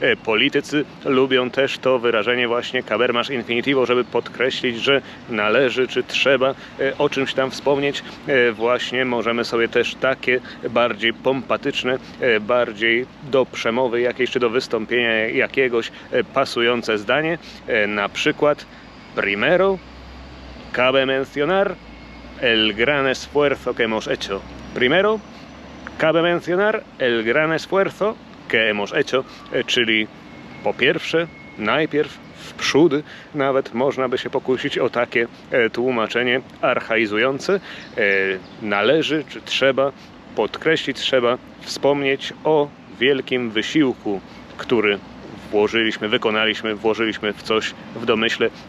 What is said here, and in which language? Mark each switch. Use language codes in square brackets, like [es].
[pl] Politycy lubią też to wyrażenie właśnie caber mas infinitivo, żeby podkreślić, że należy czy trzeba o czymś tam wspomnieć. Właśnie możemy sobie też takie bardziej pompatyczne, bardziej do przemowy jakiejś czy do wystąpienia jakiegoś pasujące zdanie. Na przykład [es] primero cabe mencionar el gran esfuerzo que hemos hecho. Primero, cabe mencionar el gran esfuerzo que hemos hecho. [pl] Czyli po pierwsze, najpierw, wprzód. Nawet można by się pokusić o takie tłumaczenie archaizujące. Należy, czy trzeba podkreślić, trzeba wspomnieć o wielkim wysiłku, który włożyliśmy, wykonaliśmy, włożyliśmy w coś w domyśle.